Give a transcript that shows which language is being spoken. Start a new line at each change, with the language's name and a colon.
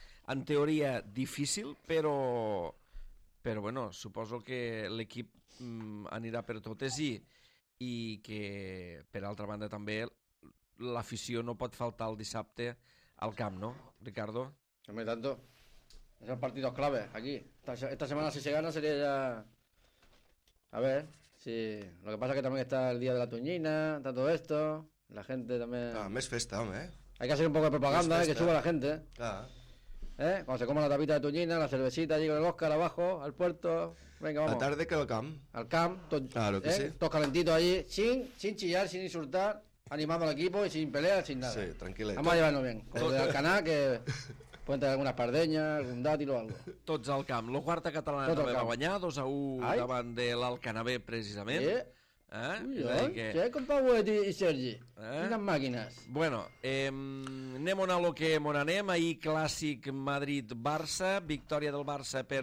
Catalan: En teoria difícil, però bueno, suposo que l'equip anirà per totes i que per altra banda també l'afició no pot faltar el dissabte al camp, no, Ricardo?
Spanish: Hombre, tanto. Es el partido clave aquí. Esta semana si se gana sería ya... A ver, sí. Lo que pasa es que también está el día de la Tuñina, está todo esto, la gente también... Ah, más festa, hombre. Hay que hacer un poco de propaganda, que suba la gente. Ah. Cuando se coma la tapita de Tuñina, la cervecita allí con el Oscar abajo, al puerto... Venga, vamos. A tarde que al camp. Al camp, todos calentitos allí, sin chillar, sin insultar, animando al equipo y sin pelear, sin nada. Sí, tranquilo. Vamos a llevarnos bien. Con el Alcaná, que... Pueden tener algunas pardeñas, algún dátil o algo.
Catalan: Tots al camp. La quarta catalana tot també va guanyar, 2-1 Ai. Davant de l'Alcanabé, precisament. Sí. Eh? Ui, com Pau i Sergi. Quines màquines. Bueno, anem on a lo que on anem. Ahir, clàssic Madrid-Barça, victòria del Barça per...